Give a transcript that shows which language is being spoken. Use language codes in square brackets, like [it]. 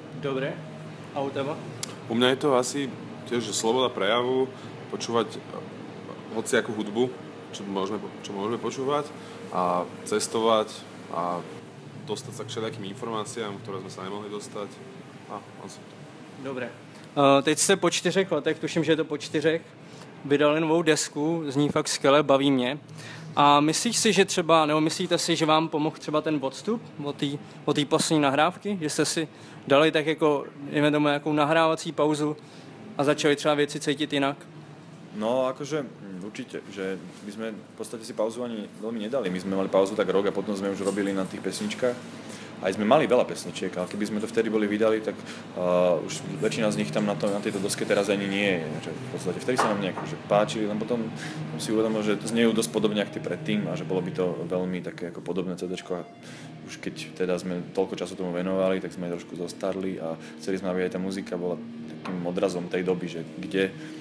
[sk] Dobre. A u teba? U mňa je to asi... Tiež, že sloboda prejavu, počúvať hociakú hudbu, čo môžeme počúvať a cestovať a dostať sa k všetkým informáciám, ktoré sme sa nemohli dostať. A asi. Dobre. [cs] Teď ste po 4 letech, tuším, že je to po 4, vydali novou desku, zní fakt skvěle, baví mě. A myslíš si, že třeba, nebo myslíte si, že vám pomohl třeba ten odstup od té poslední nahrávky, že jste si dali tak jako, jdeme tomu, nějakou nahrávací pauzu, a začali třeba věci cítit jinak? [sk] No, akože určitě, že my [cs] jsme v podstatě [sk] si pauzu ani velmi nedali. My jsme mali pauzu tak rok a potom [cs] jsme už [sk] robili na [cs] těch [sk] pesničkách. A jsme mali veľa pesniček, ale keby sme to vtedy boli vydali, tak už väčšina z nich tam na, to, na tejto doske teraz ani nie je. Že v podstate vtedy sa nám nejak že páčili, len potom si uvedomil, že znejú dosť podobne ako tie predtým a že bolo by to veľmi také ako podobné CDčko. A už keď teda sme toľko času tomu venovali, tak sme trošku zostarli a chceli sme, aby aj tá muzika bola takým odrazom tej doby, že kde...